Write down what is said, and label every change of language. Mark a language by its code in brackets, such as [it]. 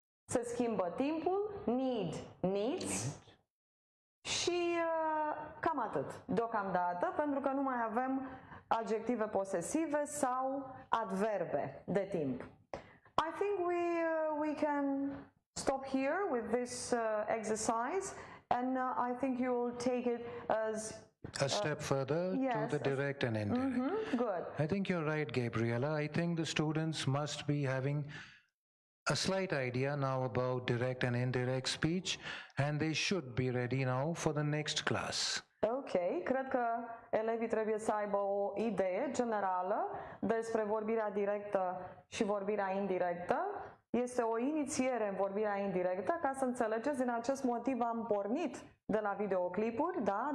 [ro] Se schimbă timpul, need, needs. Și cam atât, deocamdată, pentru că nu mai avem adjective posesive sau adverbe de timp. [en] I think we can stop here with this exercise, and I think you will take it as a step further, yes, to the direct and indirect. Mm-hmm, good. I think you're right, Gabriella. I think the students must be having a slight idea now about direct and indirect speech, and they should be ready now for the next class. [ro] Okay, cred că elevii trebuie să aibă o idee generală despre vorbirea directă și vorbirea indirectă. Este o inițiere în vorbirea indirectă, ca să înțelegeți, din acest motiv am pornit de la videoclipuri, da?